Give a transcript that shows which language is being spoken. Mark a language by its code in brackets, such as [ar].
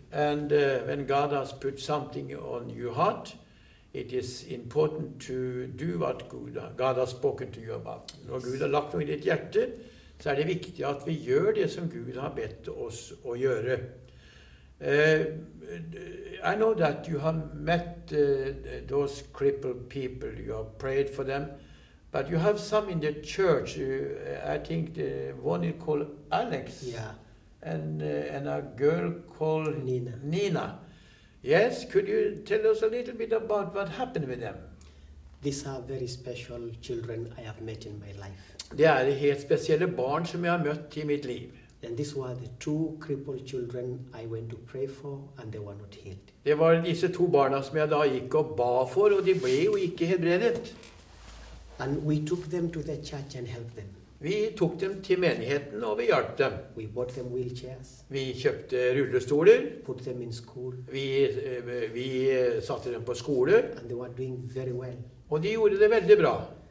[en] And when God has put something on your heart, it is important to do what God has spoken to you about. [no] Når Gud har lagt noe i ditt hjerte, så er det viktig at vi gjør det som Gud har bedt oss å gjøre. [en] I know that you have met those crippled people, you have prayed for them, but you have some in the church, I think the one is called Alex, yeah. and a girl called Nina. Nina. Yes, could you tell us a little bit about what happened with them? These are very special children I have met in my life. [no] Det er helt spesielle barn som jeg har møtt i mitt liv. [en] And these were the two crippled children I went to pray for and they were not healed. [no] Det var disse to barna som jeg da gikk og ba for, og de ble jo ikke helbredet. [en] And we took them to the church and helped them. [no] Vi tok dem til menigheten og vi hjalp dem. [en] We bought them wheelchairs. [no] Vi kjøpte rullestoler. [en] Put them in school. [no] Vi satte dem på skole. [en] And they were doing very well. [no] Og de gjorde det veldig bra.